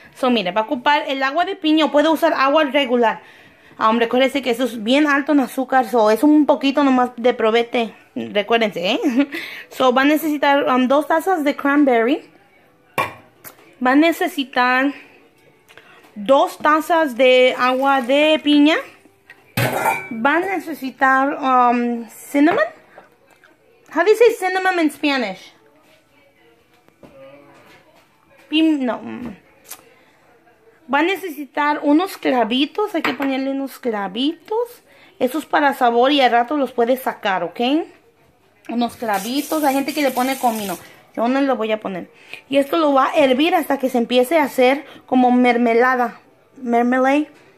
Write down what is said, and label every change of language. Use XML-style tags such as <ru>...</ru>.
<es>Mire, va a ocupar el agua de piña, o puede usar agua regular. Recuérdense que eso es bien alto en azúcar, es un poquito nomás de probete, recuérdense, ¿eh? Va a necesitar 2 tazas de cranberry. Va a necesitar 2 tazas de agua de piña. Va a necesitar cinnamon.</es> <en>How do you say cinnamon in Spanish?</en> <es>No. Va a necesitar unos clavitos. Hay que ponerle unos clavitos. Eso es para sabor y al rato los puedes sacar, ¿ok? Unos clavitos. Hay gente que le pone comino. Yo no lo voy a poner. Y esto lo va a hervir hasta que se empiece a hacer como mermelada. Mermelade.</es>